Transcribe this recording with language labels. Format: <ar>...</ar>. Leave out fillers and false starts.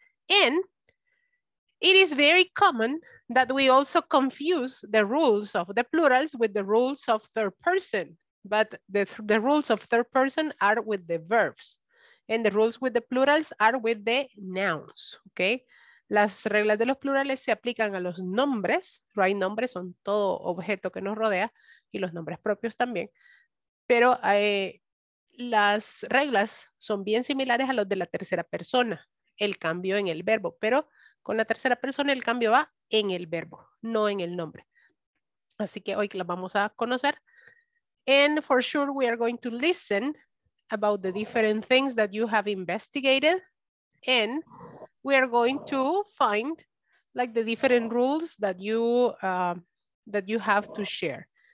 <en>And it is very common that we also confuse the rules of the plurals with the rules of third person. But the rules of third person are with the verbs and the rules with the plurals are with the nouns, okay?</en> <es>Las reglas de los plurales se aplican a los nombres, right? Nombres son todo objeto que nos rodea y los nombres propios también. Pero las reglas son bien similares a los de la tercera persona, el cambio en el verbo, pero con la tercera persona el cambio va en el verbo, no en el nombre. Así que hoy las vamos a conocer.</es> <en>And for sure, we are going to listen about the different things that you have investigated. And we are going to find like the different rules that you have to share.</en>